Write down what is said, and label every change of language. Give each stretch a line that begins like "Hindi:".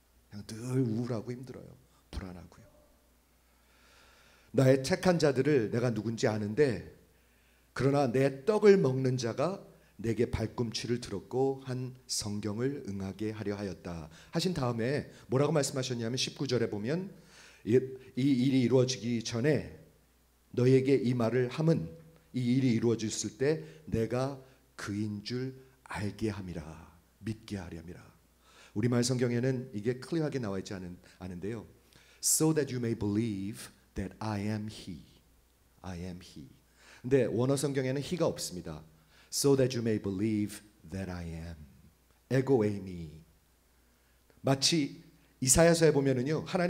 Korean: 그냥 늘 우울하고 힘들어요. 불안하고요. 나의 택한 자들을 내가 누군지 아는데, 그러나 내 떡을 먹는 자가 내게 발꿈치를 들었고 한 성경을 응하게 하려 하였다 하신 다음에 뭐라고 말씀하셨냐면, 19절에 보면 이 일이 이루어지기 전에 너에게 이 말을 함은 이 일이 이루어졌을 때 내가 그인 줄 알게 함이라, 믿게 하렴이라. 우리말 성경에는 이게 클리어하게 나와 있지 않은데요.
English: So that you may believe that I am he. I am he.
Korean: 근데 원어 성경에는 he가 없습니다.
English: So that you may believe that I am.
Greek: Ego eimi.
Korean: 마치 이사야서에 보면은요.